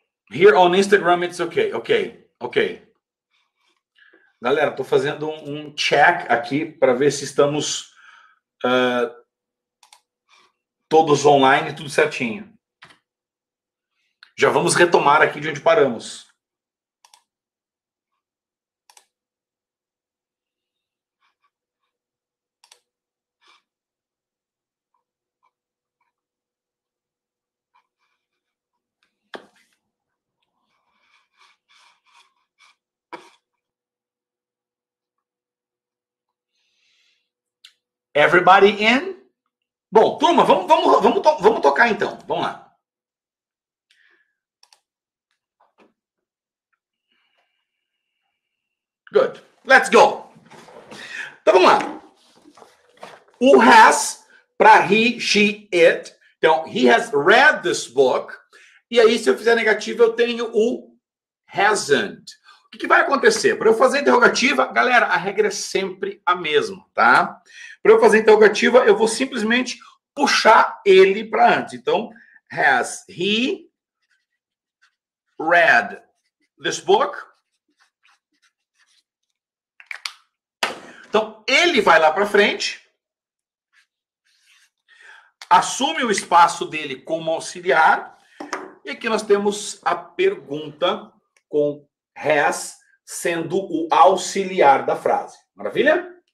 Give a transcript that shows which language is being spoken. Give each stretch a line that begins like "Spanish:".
English: Here on Instagram, it's okay. Ok.
Portuguese: Galera, estou fazendo um check aqui para ver se estamos todos online, tudo certinho. Já vamos retomar aqui de onde paramos.
English: Everybody in?
Portuguese: Bom, turma, vamos tocar então. Vamos lá.
English: Good. Let's go.
Portuguese: Então vamos lá. O has para he, she, it.
English: Então, he has read this book.
Portuguese: E aí, se eu fizer negativa, eu tenho o hasn't. O que vai acontecer? Para eu fazer interrogativa, galera, a regra é sempre a mesma, tá? Para eu fazer interrogativa, eu vou simplesmente puxar ele para antes.
English: Então, has he read this book?
Portuguese: Então, ele vai lá para frente, assume o espaço dele como auxiliar, e aqui nós temos a pergunta com has sendo o auxiliar da frase. Maravilha?